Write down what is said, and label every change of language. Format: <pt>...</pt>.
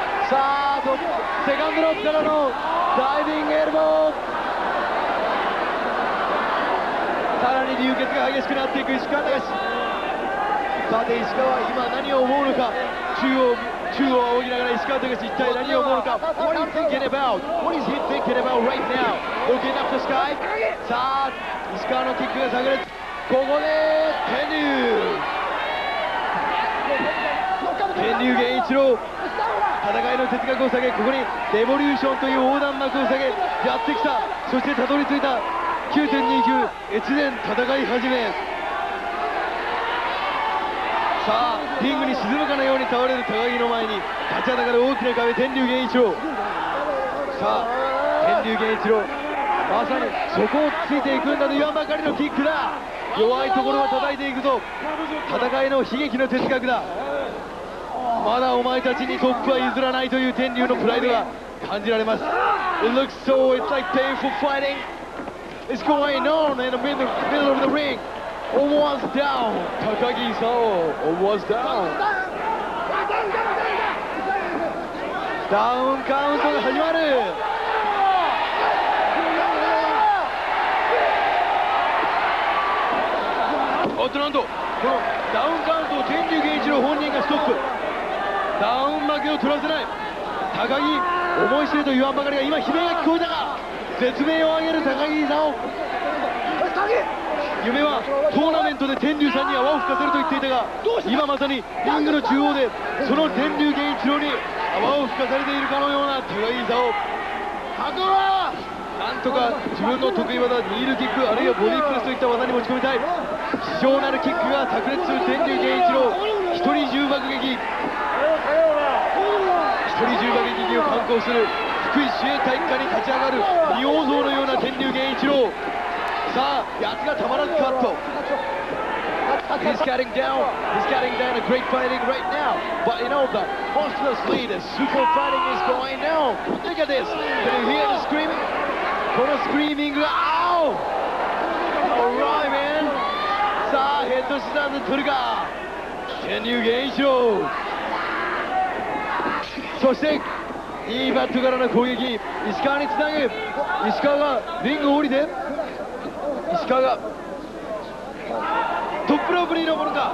<ja>さあ、セカンドロープからのダイビングエルボー。さらに流血が激しくなっていく石川隆。さて、石川は今何を思うのか。中央を仰ぎながら石川隆、一体何を思うのか。</ja> <en>What are you thinking about? What is he thinking about right now? Looking up the sky?</en> <ja>さあ、石川のキックが炸裂。ここで天竜、天竜源一郎、戦いの哲学を下げ、ここにデボリューションという横断幕を下げやってきた。そしてたどり着いた 9.29 越前戦い始め。さあリングに沈むかのように倒れる高木の前に立ちはだかる大きな壁、天竜源一郎。さあ天竜源一郎、まさにそこをついていくんだと言わんばかりのキックだ。弱いところは叩いていくぞ、戦いの悲劇の哲学だ。まだお前たちにトップは譲らないという天竜のプライドが感じられます。</ja> <en>It looks so, it's like painful fighting. It's going on in the middle of the ring. Almost down. 高木勲 almost down.</en> <ja>ダウンカウントが始まる。おっと、なんとこのダウンカウントを天竜源一郎本人がストップ。ダウン負けを取らせない。高木思い知れと言わんばかりが今悲鳴が聞こえたが、絶命を上げる高木さん、夢はトーナメントで天竜さんに泡を吹かせると言っていたが、今まさにリングの中央でその天竜源一郎に泡を吹かされているかのような高木さん。高木なんとか自分の得意技ニールキック、あるいはボディープレスといった技に持ち込みたい。希少なるキックが炸裂する天竜源一郎、一人重爆撃、一人重爆撃を敢行する福井市営体育館に立ち上がる仁王像のような天竜源一郎。さあやつがたまらずカット。</ja> <en>He's getting down, he's getting down a great fighting right now. But you know the monstrous lead, super fighting is going now. Look at this, can you hear the screaming?</en> <ja>このスクリーミングが、オー</ja> <en>Alright man.</en> <ja>さあヘッドシザーズ取るか、天竜源一郎。そしていいバットからの攻撃、石川につなぐ。石川がリングを降りて、石川がトップロープに登るか。</ja>